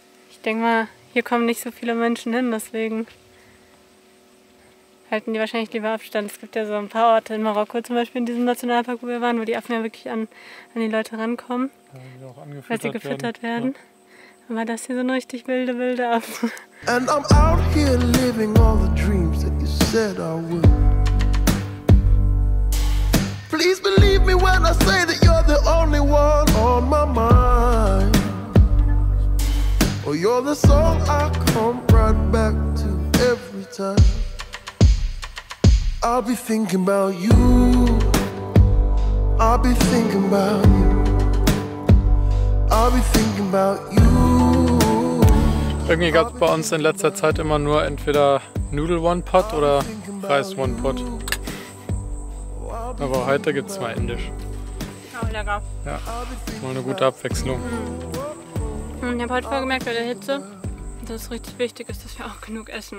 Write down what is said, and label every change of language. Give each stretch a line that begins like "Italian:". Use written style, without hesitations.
German: Ich denke mal, hier kommen nicht so viele Menschen hin, deswegen halten die wahrscheinlich lieber Abstand. Es gibt ja so ein paar Orte in Marokko, zum Beispiel in diesem Nationalpark, wo wir waren, wo die Affen ja wirklich an die Leute rankommen, ja, auch angefüttert, weil sie gefüttert werden. Ja. Aber das hier sind richtig wilde Affen.
English: I'm out here living all the dreams that you said I would. Please believe me when I say that you're the only one on my mind. Oh, you're the song I come right back to every time. I'll be thinking about you. I'll be thinking about you. I'll be thinking about you.
German: Irgendwie gab es bei uns in letzter Zeit immer nur entweder Nudel-One-Pot oder Reis-One-Pot. Aber heute gibt es mal Indisch. Lecker. Ja, mal eine gute Abwechslung. Ich habe heute vorgemerkt bei der Hitze, dass es richtig wichtig ist, dass wir auch genug essen.